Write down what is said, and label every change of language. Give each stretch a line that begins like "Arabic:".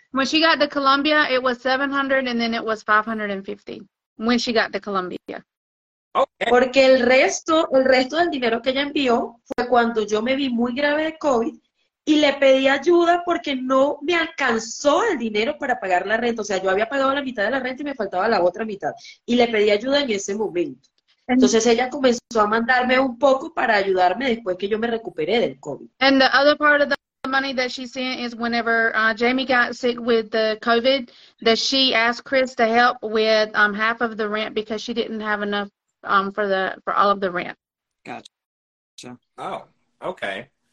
English: When she got to Colombia, it was 700 and then it was 550 when she got to Colombia. Okay.
Spanish: Porque el resto del dinero que ella envió fue cuando yo me vi muy grave de COVID y le pedí ayuda porque no me alcanzó el dinero para pagar la renta. O sea, yo había pagado la mitad de la renta y me faltaba la otra mitad. Y le pedí ayuda en ese momento. Entonces ella comenzó a mandarme un poco para ayudarme después que yo me recuperé del COVID.
English: And the other part of the money that she sent is whenever Jamie got sick with the COVID, that she asked Chris to help with half of the rent because she didn't have enough for all of the rent. Gotcha. Oh, okay.